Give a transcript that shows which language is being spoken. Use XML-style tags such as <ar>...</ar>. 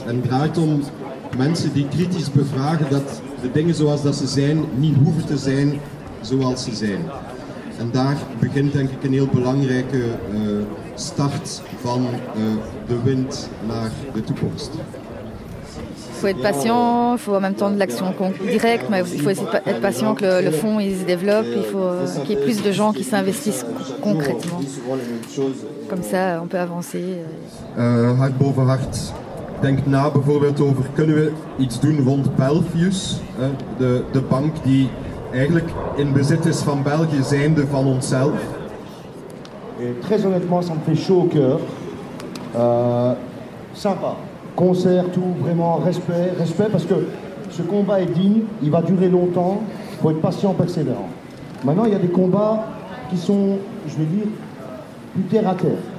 <nl>En draait om mensen die kritisch bevragen dat de dingen zoals dat ze zijn, niet hoeven te zijn zoals ze zijn. En daar begint denk ik een heel belangrijke start van de wind naar de toekomst.</nl> <fr>Il faut être patient, il faut en même temps de l'action directe, mais il faut être patient que le fonds il se développe, il faut qu'il y ait plus de gens qui s'investissent concrètement. Comme ça, on peut avancer.</fr> <nl>Hart boven hart. Denk na bijvoorbeeld over, kunnen we iets doen rond Belfius, de bank die eigenlijk in bezit is van België, zijnde van onszelf?</nl> <fr>Très honnêtement, ça me fait chaud au cœur. Sympa. Concert, tout, vraiment, respect, respect, parce que ce combat est digne, il va durer longtemps, il faut être patient, persévérant. Maintenant, il y a des combats qui sont, je vais dire, plus terre à terre.</fr>